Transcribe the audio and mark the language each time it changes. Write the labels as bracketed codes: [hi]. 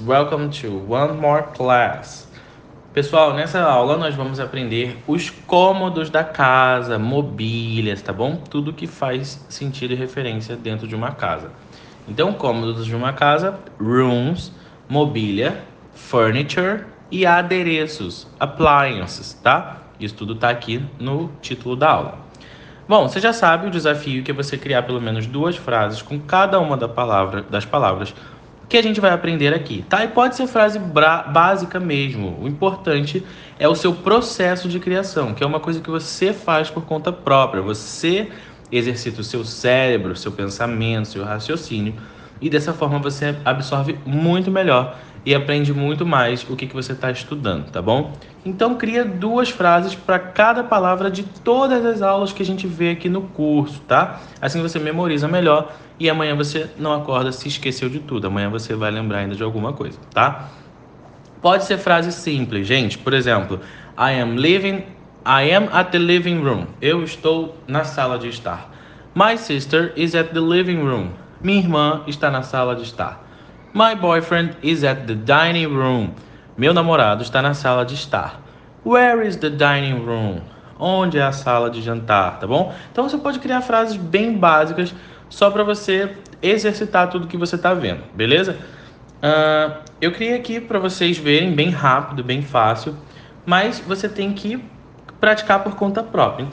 [en] Welcome to one more class. [pt] Pessoal, nessa aula nós vamos aprender os cômodos da casa, mobílias, tá bom? Tudo que faz sentido e referência dentro de uma casa. Então, cômodos de uma casa, rooms, mobília, furniture e adereços, appliances, tá? Isso tudo tá aqui no título da aula. Bom, você já sabe o desafio que é você criar pelo menos duas frases com cada uma das palavras que a gente vai aprender aqui, tá? E pode ser frase básica mesmo. O importante é o seu processo de criação, que é uma coisa que você faz por conta própria. Você exercita o seu cérebro, seu pensamento, seu raciocínio, e dessa forma você absorve muito melhor e aprende muito mais o que você está estudando, tá bom? Então, cria duas frases para cada palavra de todas as aulas que a gente vê aqui no curso, tá? Assim você memoriza melhor e amanhã você não acorda se esqueceu de tudo. Amanhã você vai lembrar ainda de alguma coisa, tá? Pode ser frase simples, gente. [en] Por exemplo, I am at the living room. [pt] Eu estou na sala de estar. [en] My sister is at the living room. [pt] Minha irmã está na sala de estar. [en] My boyfriend is at the dining room. [pt] Meu namorado está na sala de estar. [en] Where is the dining room? [pt] Onde é a sala de jantar, tá bom? Então você pode criar frases bem básicas só para você exercitar tudo que você está vendo, beleza? Eu criei aqui para vocês verem bem rápido, bem fácil, mas você tem que praticar por conta própria.